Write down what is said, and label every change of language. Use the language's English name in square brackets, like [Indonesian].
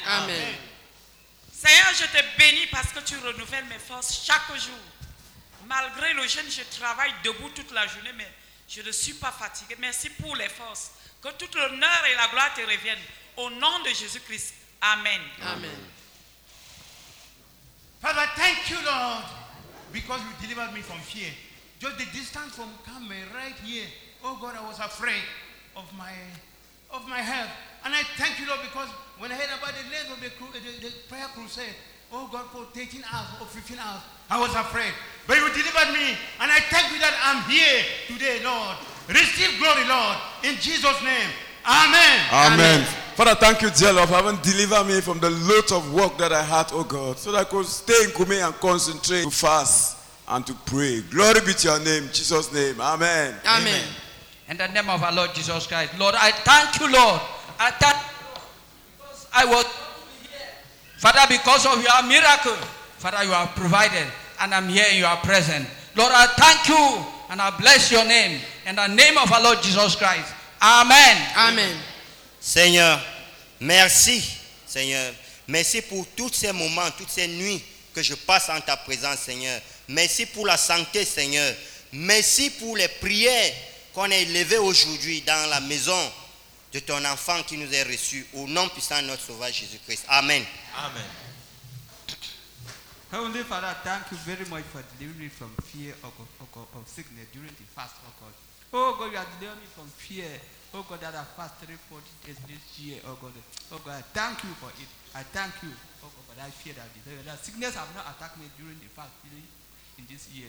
[French] Amen. Seigneur, je te bénis parce que tu renouvelles mes forces chaque jour. Malgré le jeûne, je travaille debout toute la journée, mais je ne suis pas fatigué. Merci pour les forces. Que toute l'honneur et la gloire te reviennent. Au nom de Jésus-Christ. Amen. Amen. [English] Father, thank you, Lord, because you delivered me from fear. Just the distance from coming right here. Oh, God, I was afraid of my health. And I thank you, Lord, because when I heard about the length of the prayer crusade, oh, God, for 13 hours or 15 hours, I was afraid. But you delivered me, and I thank you that I'm here today, Lord. Receive glory, Lord, in Jesus' name. Amen. Amen. Amen. Father, thank you, dear Lord, for having delivered me from the load of work that I had, oh God, so that I could stay in Koumé and concentrate to fast and to pray. Glory be to your name, Jesus' name. Amen. Amen. In the name of our Lord Jesus Christ, Lord, I thank you, Lord. I thank you, Lord, because I was here. Father, because of your miracle, Father, you have provided, and I'm here in your presence. Lord, I thank you, and I bless your name, in the name of our Lord Jesus Christ. Amen. Amen. [French] Seigneur, merci, Seigneur. Merci pour tous ces moments, toutes ces nuits que je passe en ta présence, Seigneur. Merci pour la santé, Seigneur. Merci pour les prières qu'on a élevées aujourd'hui dans la maison de ton enfant qui nous est reçu au nom puissant de notre Sauveur Jésus-Christ. Amen. Amen. [English] Heavenly Father, thank you very much for delivering me from fear of sickness during the fast, oh God. Oh God, you have delivered me from fear. Oh God, that I fast 340 days this year, oh God. Oh God, I thank you for it. I thank you, oh God, for that fear that sickness have not attacked me during the fast in this year.